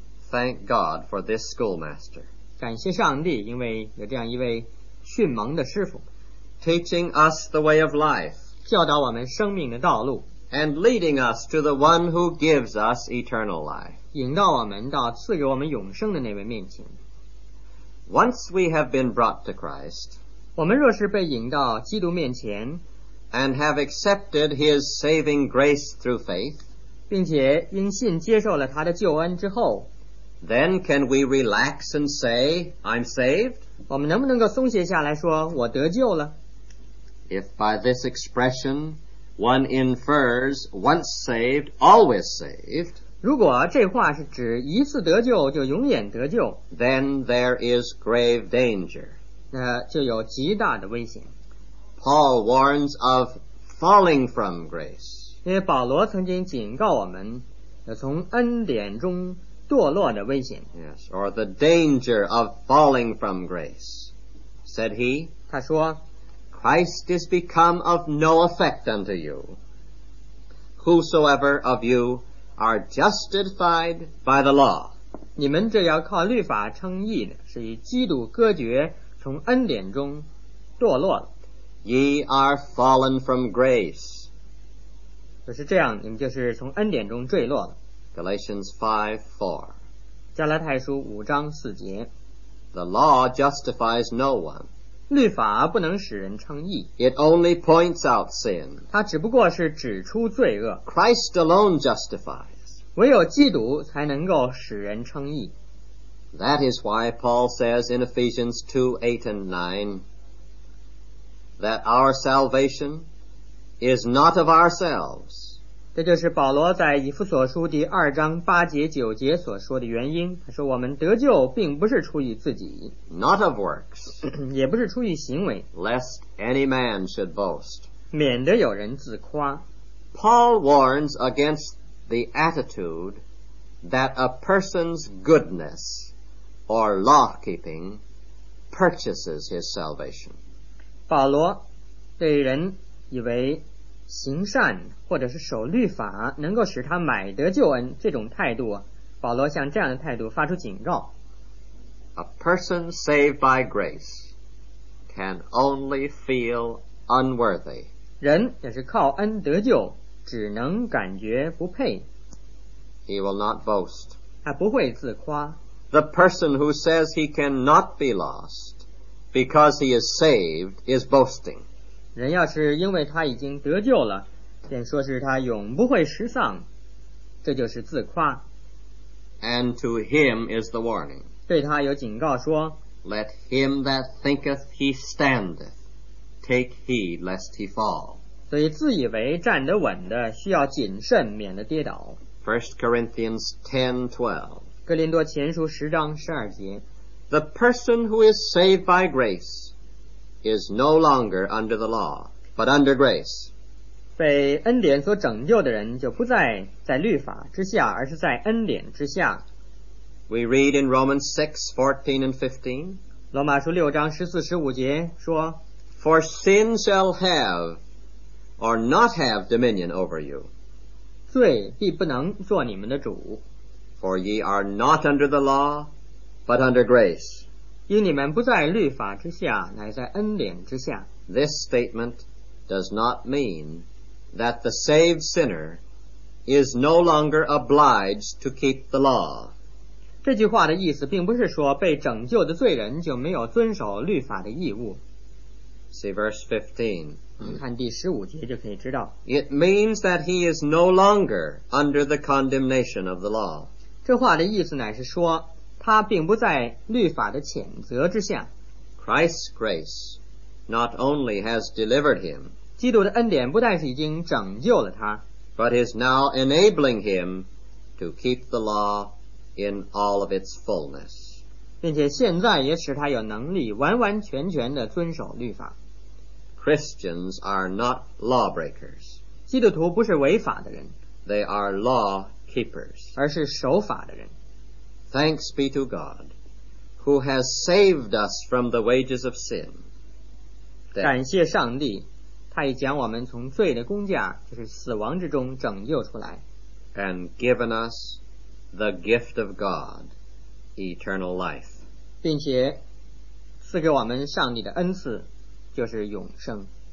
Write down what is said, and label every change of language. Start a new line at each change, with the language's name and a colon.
English: Thank God for this schoolmaster.
Chinese: 感谢上帝，因为有这样一位训蒙的师父。
English: Teaching us the way of life,
Chinese: 教导我们生命的道路,
English: and leading us to the one who gives us eternal life,
Chinese: 引导我们到赐给我们永生的那位面前。
English: Once we have been brought to Christ,
Chinese: 我们若是被引到基督面前,
English: and have accepted his saving grace through faith,
Chinese: 并且因信接受了他的救恩之后,
English: then can we relax and say, I'm saved?
Chinese: 我们能不能够松懈下来说我得救了？
English: If by this expression one infers once saved, always saved,
Chinese: 如果这话是指一次得救就永远得救，
English: then there is grave danger,
Chinese: 那就有极大的危险。
English: Paul warns of falling from grace,
Chinese: 因为保罗曾经警告我们从恩典中堕落的危险。
English: Yes, or the danger of falling from grace. Said he,
Chinese: 他说,
English: Christ is become of no effect unto you. Whosoever of you are justified by the law.
Chinese: 你们这要靠律法称义的，是与基督隔绝，从恩典中堕落了。
English: Ye are fallen from grace.
Chinese: 就是这样，你们就是从恩典中坠落了。
English: Galatians 5:4.
Chinese: 加拉太书五章四节。
English: The law justifies no one.
Chinese: 律法不能使人称义。
English: It only points out sin.
Chinese: 它只不过是指出罪恶。
English: Christ alone justifies.
Chinese: 唯有基督才能够使人称义。
English: That is why Paul says in Ephesians 2:8-9, that our salvation is not of ourselves.
Chinese: 这就是保罗在以弗所书第二章八节九节所说的原因，他说我们得救并不是出于自己。
English: Not of works.
Chinese: 也不是出于行为。
English: Lest any man should boast.
Chinese: 免得有人自夸。
English: Paul warns against the attitude that a person's goodness or law-keeping purchases his salvation.
Chinese: 保罗对人以为行善或者是守律法能够使他买得救恩这种态度，保罗向这样的态度发出警告。
English: A person saved by grace can only feel unworthy.
Chinese: 人也是靠恩得救，只能感觉不配。
English: He will not boast.
Chinese: 他不会自夸。
English: The person who says he cannot be lost because he is saved is boasting.
Chinese: 人要是因为他已经得救了，便说是他永不会失丧，这就是自夸。
English: And to him is the warning.
Chinese: 对他有警告说，
English: Let him that thinketh he standeth take heed lest he fall.
Chinese: 所以自以为站得稳的需要谨慎，免得跌倒。
English: 1 Corinthians 10:12.
Chinese: 哥林多前书十章十二节。
English: The person who is saved by grace is no longer under the law, but under grace.
Chinese: 被恩典所拯救的人就不再在律法之下，而是在恩典之下。
English: We read in Romans 6:14-15.
Chinese: 罗马书六章十四十五节说，
English: For sin shall have or not have dominion over you.
Chinese: 罪必不能做你们的主。
English: For ye are not under the law, but under grace.
Chinese: 因你们不在律法之下，乃在恩典之下。
English: This statement does not mean that the saved sinner is no longer obliged to keep the law.
Chinese: 这句话的意思并不是说被拯救的罪人就没有遵守律法的义务。
English: See verse 15.
Chinese: 看第十五节就可以知道。
English: It means that he is no longer under the condemnation of the law.
Chinese: 这话的意思乃是说，他并不在律法的谴责之下。
English: Christ's grace not only has delivered him,
Chinese: 基督的恩典不但是已经拯救了他，
English: but is now enabling him to keep the law in all of its fullness.
Chinese: 并且现在也使他有能力完完全全地遵守律法。
English: Christians are not lawbreakers.
Chinese: 基督徒不是违法的人。
English: They are law keepers,
Chinese: 而是守法的人。
English: Thanks be to God, who has saved us from the wages of sin.
Chinese: 感谢上帝，他已将我们从罪的工价，就是死亡之中拯救出来。
English: And given us the gift of God, eternal life.
Chinese: 并且赐给我们上帝的恩赐，就是永生。